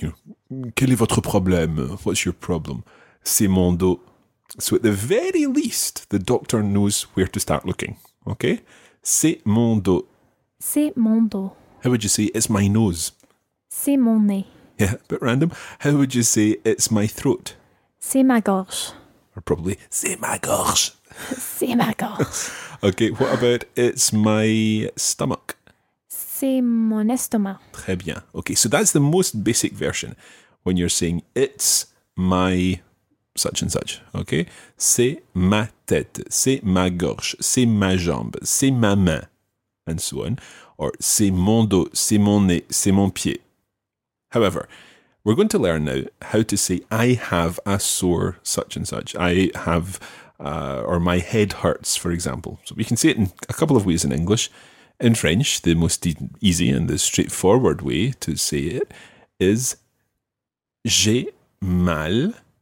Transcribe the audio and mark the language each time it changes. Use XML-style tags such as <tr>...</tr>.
<en>You know,</en> <fr>quel est votre problème?</fr> <en>What's your problem?</en> <fr>C'est mon dos.</fr> <en>So at the very least, the doctor knows where to start looking.</en> <fr>Okay? C'est mon dos. C'est mon dos.</fr> <en>How would you say, it's my nose?</en> <fr>C'est mon nez.</fr> <en>Yeah, a bit random. How would you say, it's my throat?</en> <fr>C'est ma gorge. Or probably, c'est ma gorge. C'est ma gorge.</fr> <en>Okay, what about, it's my stomach?</en> <fr>C'est mon estomac. Très bien.</fr> <en>Okay, so that's the most basic version when you're saying, it's my such and such, okay?</en> <fr>C'est ma tête, c'est ma gorge, c'est ma jambe, c'est ma main,</fr> <en>and so on.</en> <fr>Or c'est mon dos, c'est mon nez, c'est mon pied.</fr> <en>However, we're going to learn now how to say I have a sore such and such. I have, or my head hurts, for example. So we can say it in a couple of ways in English. In French, the most easy and the straightforward way to say it is</en> <fr>j'ai mal.</fr>